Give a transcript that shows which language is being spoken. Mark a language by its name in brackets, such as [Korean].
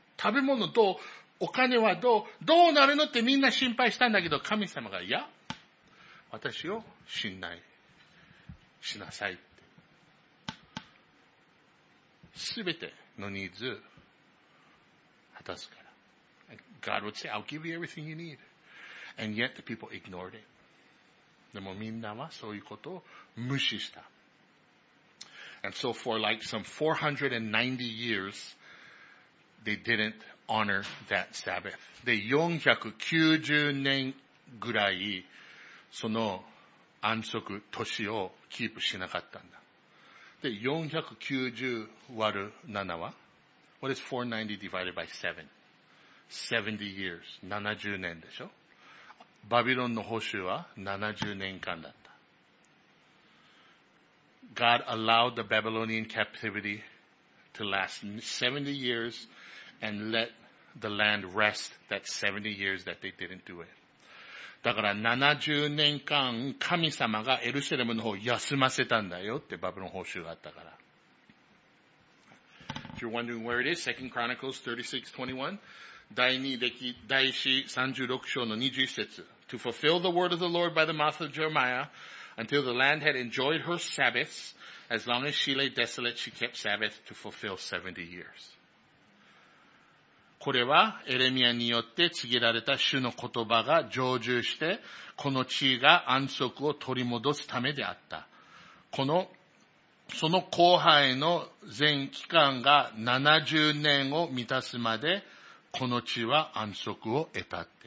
[Japanese] 食べ物どうお金はどうなるのってみんな心配したんだけど、神様が、いや、私を信頼しなさいって。すべてのニーズ、果たすから。 [English] God would say, I'll give you everything you need. And yet the people ignored it. [Japanese] でもみんなはそういうことを無視した。 [English] And so for like some 490 years, they didn't,honor that Sabbath. [Japanese] で、490年ぐらい、その安息年をキープしなかったんだ。で、490÷7 は [English] ?What is 490 divided by 7? 70 years. [Japanese] 70年でしょ。バビロンの捕囚は70年間だった。 [English] God allowed the Babylonian captivity to last 70 years and letThe land rest that 70 years that they didn't do it. [Japanese] だから70年間神様がエルサレムの方を休ませたんだよってバビロン報酬があったから。 [English] If you're wondering where it is, 2 Chronicles 36:21, [Japanese] 第四36章の21節. [English] To fulfill the word of the Lord by the mouth of Jeremiah, until the land had enjoyed her Sabbaths, as long as she lay desolate, she kept Sabbath to fulfill 70 years. [Japanese] これはエレミアによって告げられた主の言葉が成就して、この地が安息を取り戻すためであった。このその後輩の全期間が70年を満たすまで、この地は安息を得たって。